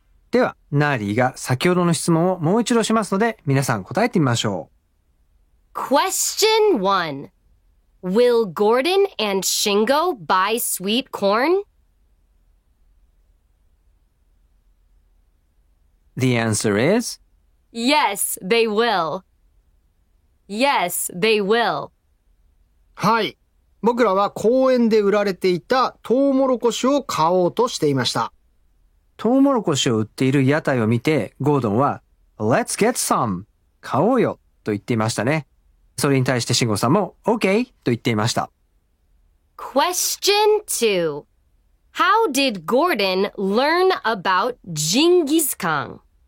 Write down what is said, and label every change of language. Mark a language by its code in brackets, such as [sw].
[ja] では、ナーリーが先ほどの質問をもう一度しますので、皆さん答えてみましょう。 [en] Question 1. Will Gordon and Shingo buy sweet corn? The answer is? Yes, they will. Yes, they will. [ja] はい。僕らは公園で売られていたトウモロコシを買おうとしていました。トウモロコシを売っている屋台を見て、ゴードンは、 [en] Let's get some! [ja] 買おうよと言っていましたね。それに対してシンゴさんも、OK! と言っていました。 [en] Question 2. How did Gordon learn about Jingisukan?